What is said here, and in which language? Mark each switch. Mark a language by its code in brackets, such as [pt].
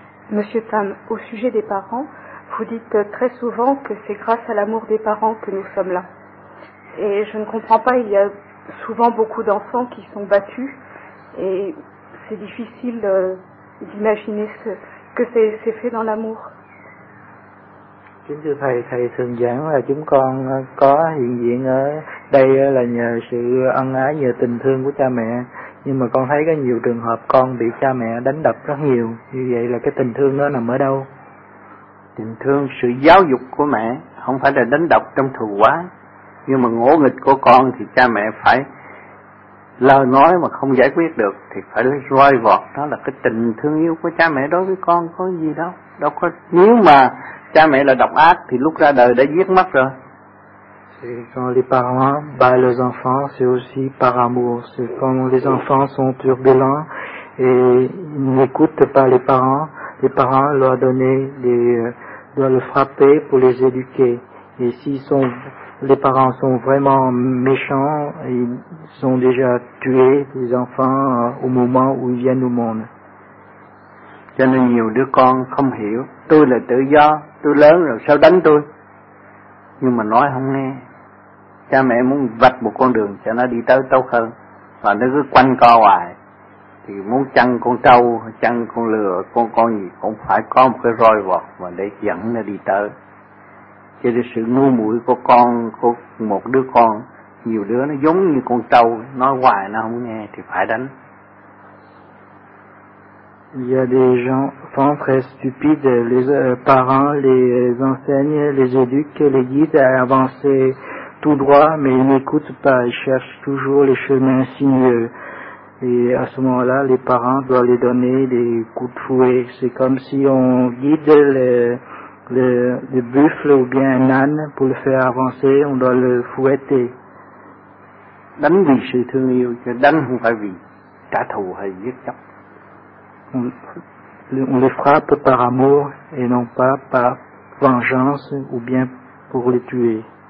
[fr] Monsieur Tam, au sujet des parents, vous dites très souvent que c'est grâce à l'amour des parents que nous sommes là. Et je ne comprends pas, il y a souvent beaucoup d'enfants qui sont battus et c'est difficile d'imaginer que c'est fait dans l'amour. [vi] Kính thưa thầy, thầy thường giảng là chúng con có hiện diện ở đây là nhờ sự ân ái, nhờ tình thương của cha mẹ. Nhưng mà con thấy có nhiều trường hợp con bị cha mẹ đánh đập rất nhiều. Như vậy là cái tình thương nó nằm ở đâu? Tình thương, sự giáo dục của mẹ không phải là đánh đập trong thù oán. Nhưng mà ngỗ nghịch của con thì cha mẹ phải lời nói mà không giải quyết được thì phải roi vọt, đó là cái tình thương yêu của cha mẹ đối với con, có gì đâu. Đâu có, nếu mà cha mẹ là độc ác thì lúc ra đời đã giết mất rồi. [fr] C'est quand les parents battent leurs enfants, c'est aussi par amour. C'est quand les enfants sont turbulents et n'écoutent pas les parents leur donnent doivent le frapper pour les éduquer. Et s'ils sont les parents sont vraiment méchants, ils ont déjà tué des enfants au moment où ils viennent au monde. [vi] Cho nên nhiều đứa con không hiểu, tôi là tự do, tôi lớn rồi, sao đánh tôi? nhưng mà nói không nghe. Cha mẹ muốn vạch một con đường cho nó đi tới tốt hơn, và nó cứ quanh co hoài. Thì muốn chăn con trâu, chăn con lừa, con gì cũng phải có một cái roi vọt mà để dẫn nó đi tới. Cho nên sự ngu muội của con, của một đứa con, nhiều đứa nó giống như con trâu, nói hoài nó không nghe thì phải đánh. [fr] Il y a des gens, enfin très stupides, les parents, les enseignants, les éduques, les guides à avancer tout droit, mais ils n'écoutent pas, ils cherchent toujours les chemins sinueux. Et à ce moment-là, les parents doivent les donner des coups de fouet. C'est comme si on guide le buffle ou bien un âne pour le faire avancer, on doit le fouetter. [vi] Đánh vì sự thương yêu, chứ đánh không phải vì trả thù hay giết chóc. [fr] On les frappe par amour et non pas par vengeance ou bien pour les tuer.